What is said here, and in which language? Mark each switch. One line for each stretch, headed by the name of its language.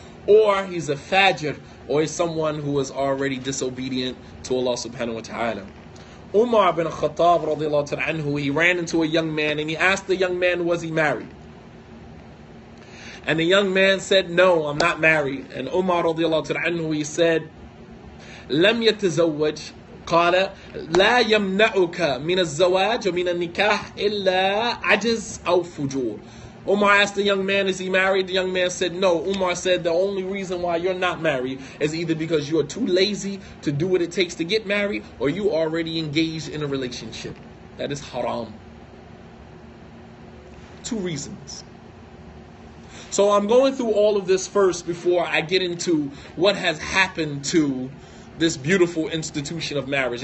English: Or he's a fajr, or he's someone who is already disobedient to Allah subhanahu wa ta'ala. Umar ibn Khattab radiallahu ta'ala anhu, he ran into a young man and he asked the young man, was he married? And the young man said, no, I'm not married. And Umar radiallahu ta'ala anhu, he said,
Arabic: لم يتزوج قال لا يمنعك من الزواج ومن النكاح إلا عجز أو فجور.
English: Umar asked the young man, is he married? The young man said, no. Umar said, the only reason why you're not married is either because you are too lazy to do what it takes to get married, or you already engaged in a relationship. That is haram. Two reasons. So I'm going through all of this first before I get into what has happened to this beautiful institution of marriage.